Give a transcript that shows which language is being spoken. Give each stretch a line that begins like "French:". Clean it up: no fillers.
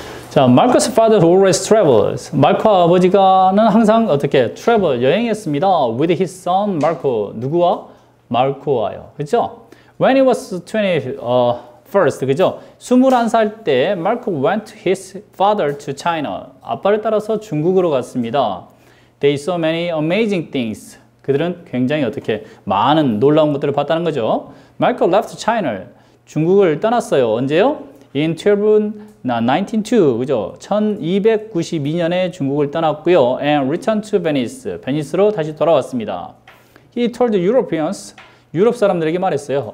Korean: 자,
English: Marcus' father always travels.
Korean: 마크 아버지가는 항상 어떻게 travel 여행했습니다.
English: With his son Marco.
Korean: 누구와? Marco와요. 그렇죠?
English: When he was 21st,
Korean: 그렇죠? 21살 때
English: Marco went to his father to China.
Korean: 아빠를 따라서 중국으로 갔습니다.
English: They saw many amazing things.
Korean: 그들은 굉장히 어떻게 많은 놀라운 것들을 봤다는 거죠.
English: Marco left China.
Korean: 중국을 떠났어요. 언제요?
English: In 1902,
Korean: 그죠? 1292년에 중국을 떠났고요.
English: And returned to Venice.
Korean: 베니스로 다시 돌아왔습니다.
English: He told Europeans,
Korean: 유럽 사람들에게 말했어요.